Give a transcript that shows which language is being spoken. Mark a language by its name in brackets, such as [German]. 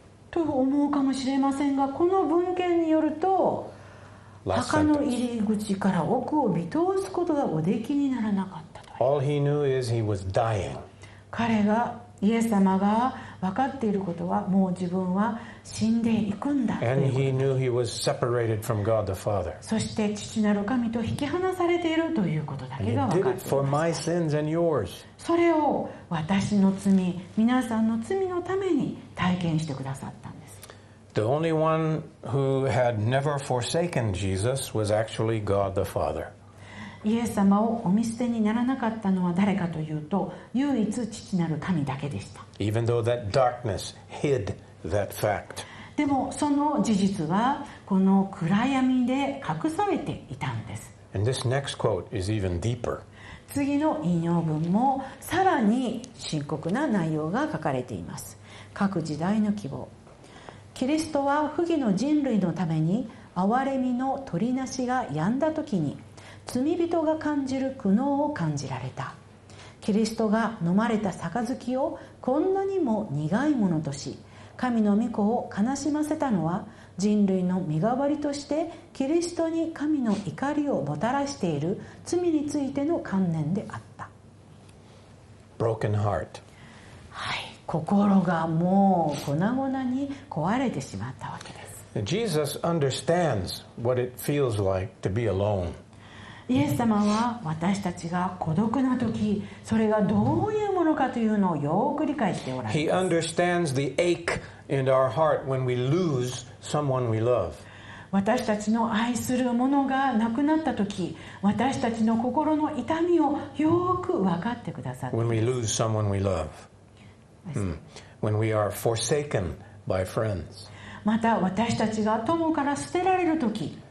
[Japanese] と思うかもしれませんが、この文献によると、墓の入り口から奥を見通すことがおできにならなかったと。 [English] All he knew is he was dying. [Japanese] 彼がイエス様が分かっていることはもう自分は死んでいくんだ。 [English] And he knew he was separated from God the Father. [Japanese] そして父なる神と引き離されているということだけが分かっています。 [English] And he did it for my sins and yours. [Japanese] それを私の罪、皆さんの罪のために体験してくださったんです。 [English] The only one who had never forsaken Jesus was actually God the Father. [Japanese] イエス様をお見捨てにならなかったのは誰かというと、唯一父なる神だけでした。 [English] Even though that darkness hid that fact. [Japanese] でもその事実はこの暗闇で隠されていたんです。 [English] And this next quote is even deeper. [Japanese] 次の引用文もさらに深刻な内容が書かれています。各時代の希望。キリストは不義の人類のために憐れみの取りなしが止んだ時に罪人が感じる苦悩を感じられた。キリストが飲まれた杯をこんなにも苦いものとし、神の御子を悲しませたのは、人類の身代わりとしてキリストに神の怒りをもたらしている罪についての観念であった。 [English] Broken heart. [Japanese] はい、心がもう粉々に壊れてしまったわけです。 [English] Jesus understands what it feels like to be alone. [Japanese] イエス様は私たちが孤独な時、それがどういうものかというのをよく理解しておられます。 [English] He understands the ache in our heart when we lose someone we love. [Japanese] 私たちの愛するものが亡くなったとき、私たちの心の痛みをよく分かってくださって。 [English] When we lose someone we love. When we are forsaken by friends. [Japanese] また私たちが友から捨てられるとき。